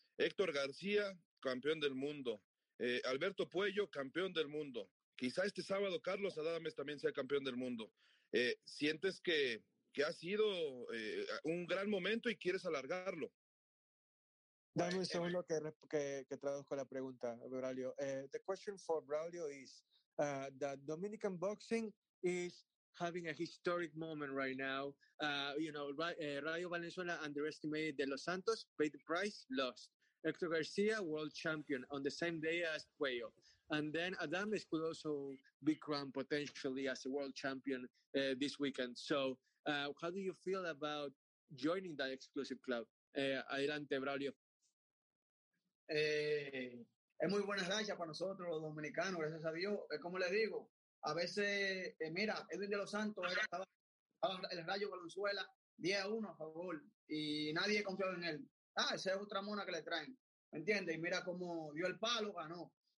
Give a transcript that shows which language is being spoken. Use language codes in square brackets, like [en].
[es] Héctor García, campeón del mundo. Alberto Puello, campeón del mundo. Quizá este sábado Carlos Adames también sea campeón del mundo. ¿Sientes que ha sido un gran momento y quieres alargarlo? Dame un segundo que traduzco la pregunta, Braulio. [en] The question for Braulio is that Dominican boxing is having a historic moment right now. Rayo Valenzuela underestimated De Los Santos, paid the price, lost. Hector Garcia, world champion, on the same day as Cuello. And then Adames could also be crowned potentially as a world champion this weekend. So how do you feel about joining that exclusive club? [es] Adelante, Braulio. Es muy buena racha para nosotros los dominicanos, gracias a Dios. Es como les digo, a veces, mira, Edwin de los Santos estaba el Rayo Valenzuela 10-1 a favor y nadie confiaba en él. Esa es otra mona que le traen, ¿me entiendes? Y mira cómo dio el palo, ganó.